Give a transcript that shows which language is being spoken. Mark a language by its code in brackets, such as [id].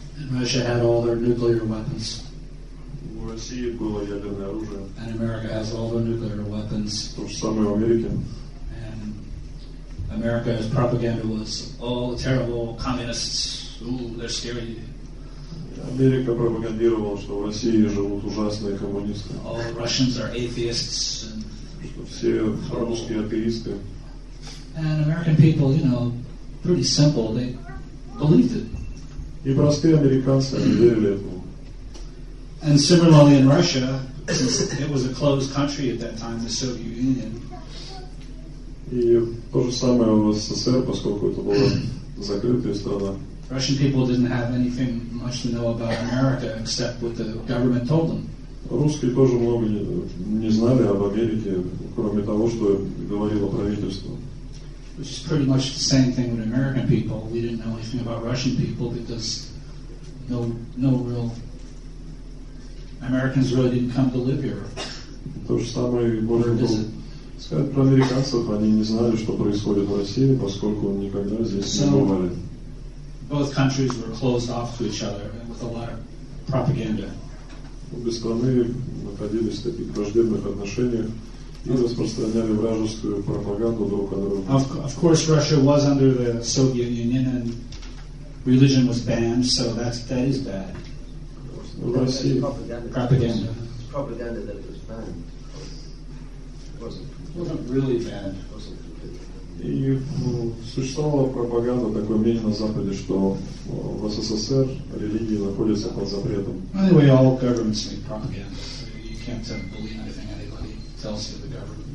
[en] Russia had all their nuclear weapons. [ru] В России было ядерное оружие. [en] And America has all their nuclear weapons. [ru] То же самое в Америке. [en] And America's propaganda was all terrible communists. they're scary. [ru] Америка пропагандировала, что в России живут ужасные коммунисты. [en] All Russians are atheists. [ru] Что все русские атеисты. [en] And American people, you know, pretty simple, they believed it. [ru] И простые американцы верили этому. [en] And similarly in Russia, since it was a closed country at that time, the Soviet Union. [ru] И то же самое в СССР, поскольку это была закрытая страна. [en] Russian people didn't have anything much to know about America except what the government told them. [ru] Русские тоже много не знали об Америке, кроме того, что говорило правительство. [en] Which is pretty much the same thing with American people. We didn't know anything about Russian people because no real Americans really didn't come to live here. [ru] То же самое можно сказать про американцев. Они не знали, что происходит в России, поскольку никогда здесь не бывали. [en] Both countries were closed off to each other and with a lot of propaganda. [ru] Обе страны находились в таких враждебных отношениях и распространяли вражескую пропаганду друг о друге. [en] Of course, Russia was under the Soviet Union and religion was banned, so that is bad. Propaganda. Propaganda that it was banned. It wasn't really banned. [ru] И существовала пропаганда, такое мнение на Западе, что в СССР религии находятся под запретом. [en] Anyway, all governments make propaganda. You can't believe anything anybody tells you, the government.